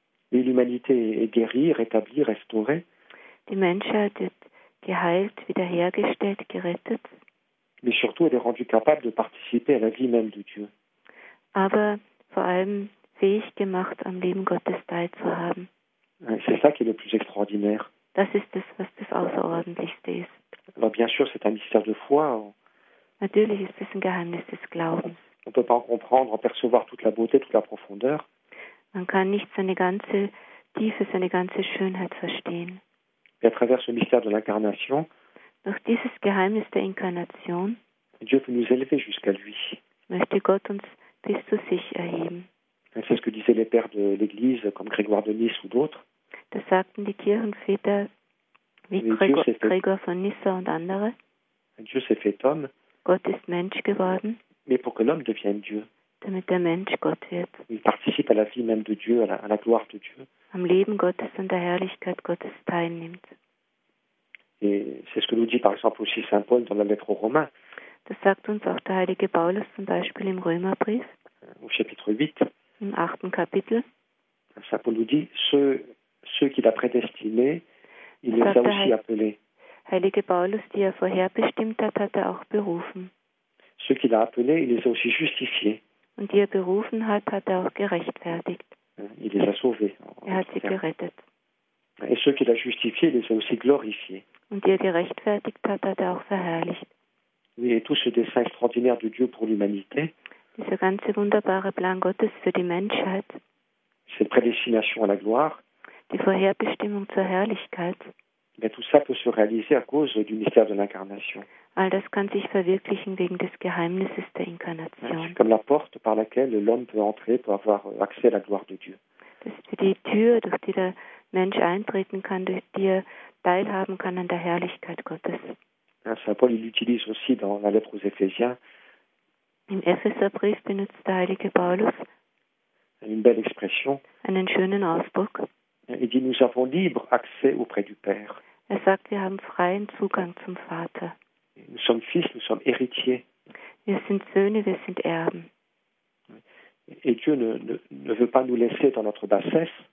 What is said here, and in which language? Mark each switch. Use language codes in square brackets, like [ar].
[fr] Et l'humanité est guérie, rétablie, restaurée. [de] Die Menschheit wird geheilt, wiederhergestellt, gerettet. [fr] Mais surtout, elle est rendue capable de participer à la vie même de Dieu. [de] Aber vor allem fähig gemacht, am Leben Gottes teilzuhaben. [fr] C'est ça qui est le plus extraordinaire. [de] Das ist das, was das Außerordentlichste ist. [fr] Alors bien sûr, c'est un mystère de foi. [de] Natürlich ist es ein Geheimnis des Glaubens. [fr] On ne peut pas en comprendre, en percevoir toute la beauté, toute la profondeur. [de] Man kann nicht seine ganze Tiefe, seine ganze Schönheit verstehen. [fr] Et à travers ce mystère de l'incarnation, [de] durch dieses Geheimnis der Inkarnation, [fr] Dieu peut nous élever jusqu'à lui. [de] Möchte Gott uns bis zu sich erheben. [fr] C'est ce que disaient les pères de l'Église, comme Grégoire de Nyssa ou d'autres. [de] Das sagten die Kirchenväter, wie Gregor von Nyssa und andere. [fr] Dieu s'est fait homme. [de] Gott ist Mensch geworden. [fr] Mais pour que l'homme devienne Dieu. [de] Damit der Mensch Gott wird. [fr] Il participe à la vie même de Dieu, à la gloire de Dieu. [de] Am Leben Gottes und der Herrlichkeit Gottes teilnimmt. [fr] Et c'est ce que nous dit par exemple aussi Saint Paul dans la lettre aux Romains. [de] Das sagt uns auch der heilige Paulus zum Beispiel im Römerbrief. [fr] Au chapitre 8. [de] Im achten Kapitel. [fr] Saint Paul nous dit, ceux qu'il a prédestinés, il les a aussi appelés. [de] Heilige Paulus, die vorherbestimmt hat, hat auch berufen. [fr] Ceux qu'il a appelés, il les a aussi justifiés. [de] und die er berufen hat, hat er auch gerechtfertigt. [fr] Il les a sauvés. [de] Er hat sie gerettet. [fr] Et ceux qu'il a justifiés, les a aussi glorifiés. [de] Und die er gerechtfertigt hat, hat er auch verherrlicht. [fr] Oui, et tout ce dessein extraordinaire de Dieu pour l'humanité. [de] Dieser ganze wunderbare Plan Gottes für die Menschheit. [fr] Cette prédestination à la gloire. [de] Die Vorherbestimmung zur Herrlichkeit. [fr] Mais tout ça peut se réaliser à cause du mystère de l'incarnation. [de] All das kann sich verwirklichen wegen des Geheimnisses der Inkarnation. [fr] C'est comme la porte par laquelle l'homme peut entrer pour avoir accès à la gloire de Dieu. [de] Das ist wie die Tür, durch die der Mensch eintreten kann, durch die er teilhaben kann an der Herrlichkeit Gottes. [fr] Saint Paul l'utilise aussi dans la lettre aux Éphésiens. [de] Im Epheserbrief benutzt der heilige Paulus [fr] une belle expression. [de] Einen schönen Ausdruck. [fr] Il dit, nous avons libre accès auprès du Père. [de] Er sagt, wir haben freien Zugang zum Vater. [fr] Nous sommes fils, nous sommes héritiers. [de] Wir sind Söhne, wir sind Erben. [fr] Et Dieu ne veut pas nous laisser dans notre bassesse.